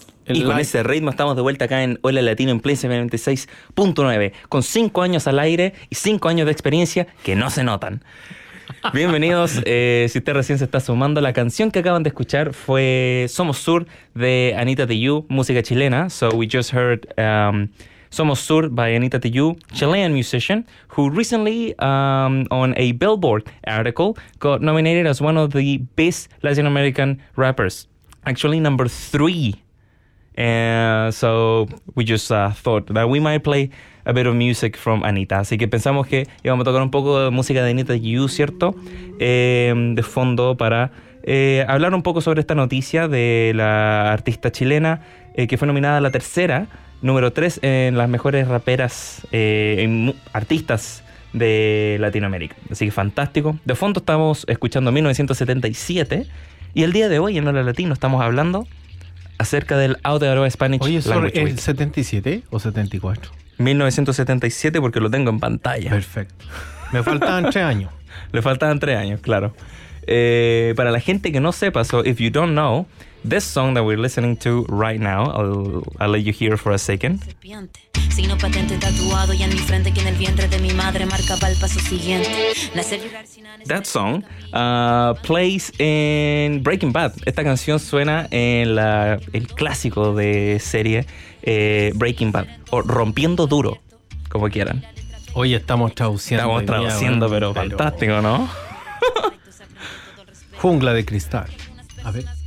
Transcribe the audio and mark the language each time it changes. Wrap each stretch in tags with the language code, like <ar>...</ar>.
<es>Y con ese ritmo estamos de vuelta acá en Hola Latino en Plains 96.9, con 5 años al aire y 5 años de experiencia que no se notan. Bienvenidos, si usted recién se está sumando, la canción que acaban de escuchar fue Somos Sur de Anita Tijoux, música chilena.</es> <en>So we just heard Somos Sur by Anita Tijoux, Chilean musician, who recently, on a Billboard article, got nominated as one of the best Latin American rappers. Actually, number 3. So we just thought that we might play a bit of music from Anita.</en> <es>Así que pensamos que íbamos a tocar un poco de música de Anita Yu, ¿cierto? De fondo para hablar un poco sobre esta noticia de la artista chilena que fue nominada a la tercera, número 3 en las mejores raperas artistas de Latinoamérica. Así que fantástico. De fondo estamos escuchando 1977 y el día de hoy en Hola Latino estamos hablando acerca del Out of Aroa Spanish. Oye, ¿sobre Language el 77 o 74? 1977, porque lo tengo en pantalla. Perfecto. Me faltaban 3 años. Le faltaban 3 años, claro. Para la gente que no sepa,</es> <en>so if you don't know, this song that we're listening to right now, I'll let you hear for a second.</en> <es>Signo patente tatuado y en mi frente que en el vientre de mi madre marcaba el paso siguiente.</es> <en>That song plays in Breaking Bad.</en> <es>Esta canción suena en el clásico de serie Breaking Bad o Rompiendo Duro, como quieran. Hoy estamos traduciendo. Estamos traduciendo, día, pero fantástico, ¿no? Jungla de Cristal. A ver.</es>